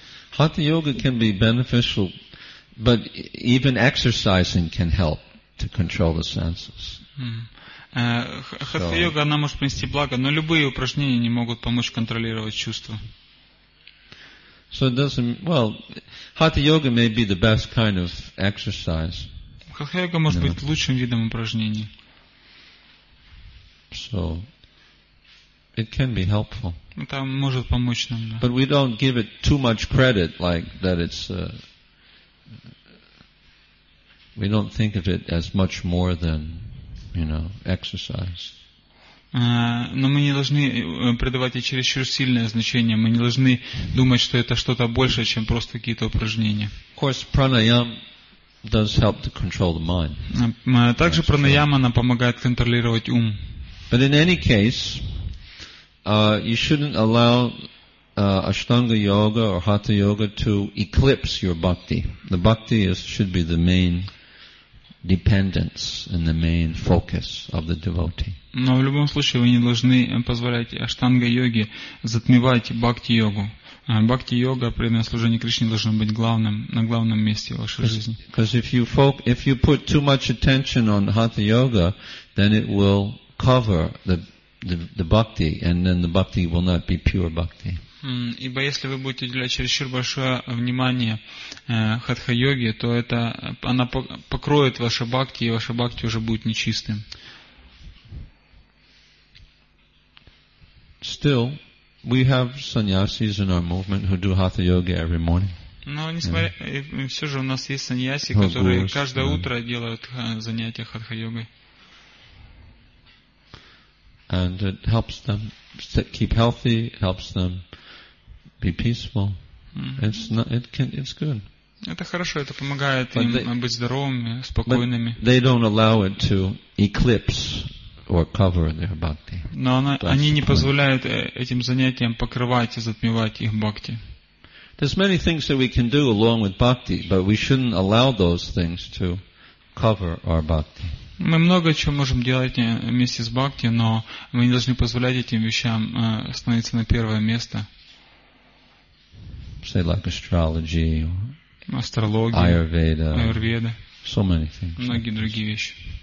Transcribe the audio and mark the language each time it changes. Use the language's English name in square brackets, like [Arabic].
[English] Hatha yoga can be beneficial, but even exercising can help to control the senses. [Russian] Hatha yoga, она может принести благо, но любые упражнения не могут помочь контролировать чувства. [English] So it doesn't. Well, hatha yoga may be the best kind of exercise. [Russian] Hatha yoga может быть лучшим видом упражнений. [English] So it can be helpful. [Russian] Это может помочь нам, да. [English] But we don't give it too much credit, like that it's we don't think of it as much more than, you know, exercise. [Russian] Но мы не должны придавать ей чересчур сильное значение. Мы не должны думать, что это что-то большее, чем просто какие-то упражнения. [English] Of course, pranayam does help to control the mind. [Russian] Также пранаяма, она помогает контролировать ум. [English] But in any case, you shouldn't allow Ashtanga yoga or Hatha yoga to eclipse your bhakti. The bhakti should be the main dependence and the main focus of the devotee. [Russian] Но в любом случае вы не должны позволять Ashtanga йоге затмевать бхакти йогу. Бхакти йога, преданное служение Кришне, должно быть главным, на главном месте в вашей жизни. [English] Because if you put too much attention on Hatha yoga, then it will cover the bhakti, and then the bhakti will not be pure bhakti. [Russian] Ибо если вы будете уделять чересчур большое внимание хатха йоге, то это она покроет ваше бхакти, и ваше бхакти уже будет нечистым. [English] Still, we have sannyasis in our movement who do hatha yoga every morning. [Russian] Но несмотря, все же у нас есть саньяси, которые каждое утро делают занятия хатха йогой. [English] And it helps them keep healthy, helps them be peaceful. It's good. [Russian] Это хорошо, это помогает им быть здоровыми, спокойными. [English] They don't allow it to eclipse or cover their bhakti. [Russian] Но они не позволяют этим занятиям покрывать и затмевать их бхакти. [English] There's many things that we can do along with bhakti, but we shouldn't allow those things to cover our bhakti. [Russian] Мы много чего можем делать вместе с бхакти, но мы не должны позволять этим вещам становиться на первое место. [English] Say like astrology. [Russian] Астрология, Айурведа, [English] so many things, [Russian] многие [English] like [Russian] другие вещи.